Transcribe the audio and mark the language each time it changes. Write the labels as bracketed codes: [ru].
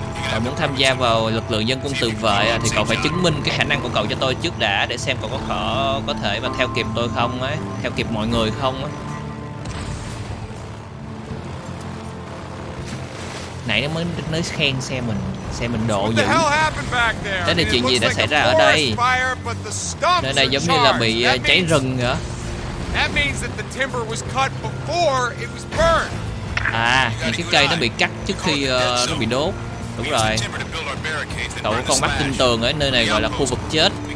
[vi] Cậu muốn tham gia vào lực lượng dân quân tự vệ thì cậu phải chứng minh cái khả năng của cậu cho tôi trước đã, để xem cậu có thể mà theo kịp tôi không ấy, theo kịp mọi người không ấy. Nãy nó mới nói khen xe mình độ dữ. Thế là chuyện gì đã xảy ra ở đây? Nơi này giống như là bị cháy rừng hả? [en] That means that the timber was cut before it was burned. [vi] À, những cái cây nó bị cắt trước khi nó bị đốt. Đúng rồi. Cậu có con mắt tinh tường ở nơi này gọi là khu vực chết.